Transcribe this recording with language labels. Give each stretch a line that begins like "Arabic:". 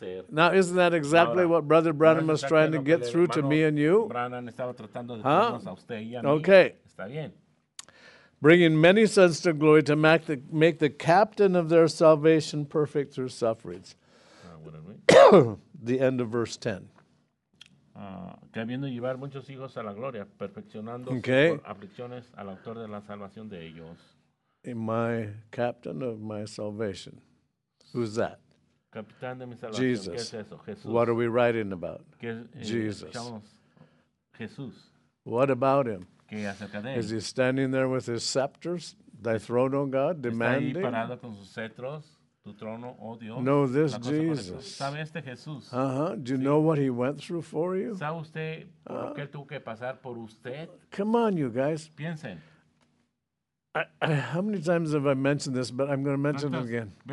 English: Now, isn't that exactly what Brother Branham is trying to get through to me and you? Huh? Okay. Bringing many sons to glory to make the captain of their salvation perfect through sufferings. The end of verse 10.
Spanish: Que habiendo llevar muchos hijos a la gloria, perfeccionándose por aflicciones al autor de la salvación de ellos.
English: In my captain of my salvation. Who's that?
Spanish: Capitán de mi salvación.
English: Jesus.
Spanish: ¿Qué es eso? Jesús.
English: What are we writing about? Jesus. Jesús. What about him?
Spanish: ¿Qué acerca de él?
English: Is he standing there with his scepters, thy throne, O God, demanding?
Spanish: ¿Está ahí parado con sus cetros, tu trono, oh Dios?
English: No, this Jesús.
Spanish: ¿Sabe este Jesús? Uh-huh.
English: Do you know what he went through for you?
Spanish: ¿Sabe usted por qué tuvo que pasar por usted?
English: Come on, you guys.
Spanish: Piensen.
English: How many times have I mentioned this, but I'm going to mention it again.